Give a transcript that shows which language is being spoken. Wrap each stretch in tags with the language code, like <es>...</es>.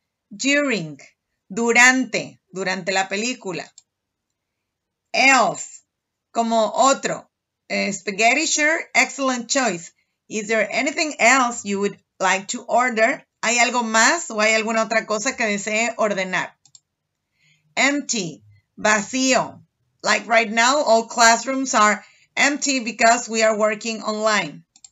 <es>During, durante la película. Else, como otro.</es> <en>Spaghetti, sure, excellent choice. Is there anything else you would like to order?</en> <es>¿Hay algo más o hay alguna otra cosa que desee ordenar? Empty, vacío.</es> <en>Like right now, all classrooms are empty because we are working online.</en>